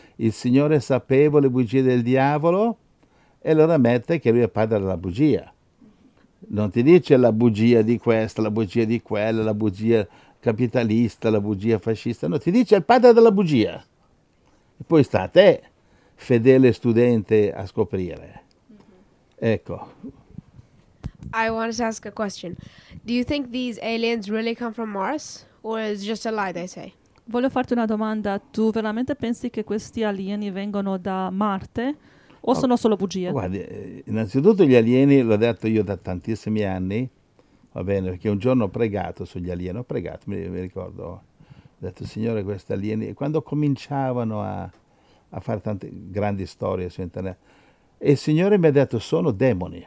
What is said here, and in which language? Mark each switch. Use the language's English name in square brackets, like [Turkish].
[Italian] Il Signore sapeva le bugie del diavolo e allora ammette che lui è padre della bugia. Non ti dice la bugia di questa, la bugia di quella, la bugia capitalista, la bugia fascista. No, ti dice il padre della bugia. E poi sta a te, fedele studente, a scoprire. Ecco. [English] I wanted to ask a question. Do you think these aliens really come from Mars? Or is just a lie they say? [Italian] Voglio farti una domanda. Tu veramente pensi che questi alieni vengono da Marte? O sono solo bugie? Guardi, innanzitutto gli alieni, l'ho detto io da tantissimi anni, va bene, perché un giorno ho pregato sugli alieni, mi ricordo, ho detto, Signore, questi alieni, quando cominciavano a fare tante grandi storie su internet, e il Signore mi ha detto, sono demoni.